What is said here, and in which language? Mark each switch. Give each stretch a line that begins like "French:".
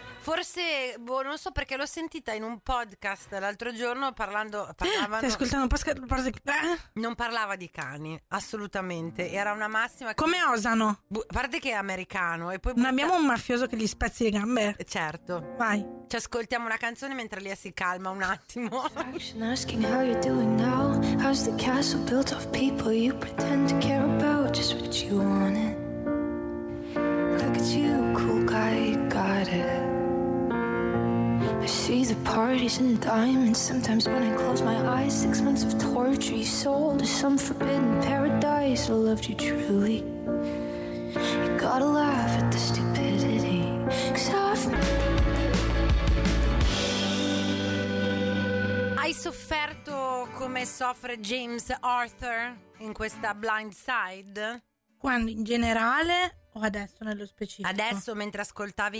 Italian: Forse, boh, non so perché l'ho sentita in un podcast l'altro giorno parlavano... Stai ascoltando un podcast? Non parlava di cani, assolutamente, era una massima... come osano? A parte che è americano e poi... Non abbiamo un mafioso che gli spezzi le gambe? Certo. Vai. Ci ascoltiamo una canzone mentre Lia si calma un attimo.
English: Asking how you're doing now. How's the castle built of people you pretend to care about, just what you wanted. Look at you, cool guy, got it. I see the parties and diamonds. Sometimes when I close my eyes, 6 months of torture you sold to some forbidden paradise. I loved you truly. You gotta laugh at the stupidity.
Italian: 'Cause hai sofferto come soffre James Arthur in questa Blind Side? Quando in generale o adesso nello specifico? Adesso mentre ascoltavi